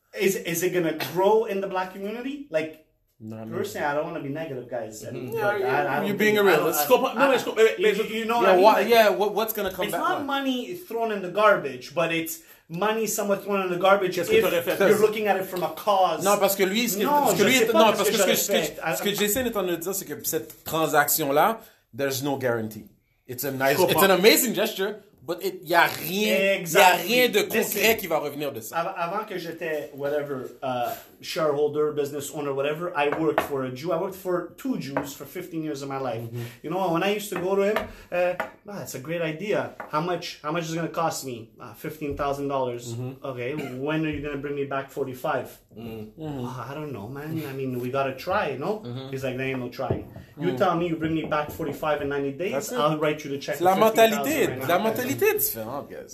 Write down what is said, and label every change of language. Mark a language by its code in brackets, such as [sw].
[en] Is it gonna grow in the black community? Like, non, personally, non. I don't want to be negative, guys. You're being a realist. What's going to come it's back? It's not money thrown in the garbage, but it's money somewhat thrown in the garbage if you're looking at it from a cause. [fr] Non, parce que lui, ce que Jason est en train de dire, c'est que cette transaction-là, [en] there's no guarantee. It's an amazing gesture, but [fr] il n'y a rien, [en] exactly. [fr] Y a rien de concret qui va revenir de ça. Avant que j'étais, [en] whatever, shareholder, business owner, whatever, I worked for a Jew. I worked for two Jews for 15 years of my life. Mm-hmm. You know, when I used to go to him, that's a great idea. How much is it going to cost me? $15,000. Mm-hmm. Okay, when are you going to bring me back 45? Mm-hmm. Well, I don't know, man. I mean, we got to try, you know? Mm-hmm. He's like, there ain't no try. Mm-hmm. You tell me you bring me back 45 in 90 days, I'll write you the check. [fr] La mentalité, right? La mentalité est différente, guys.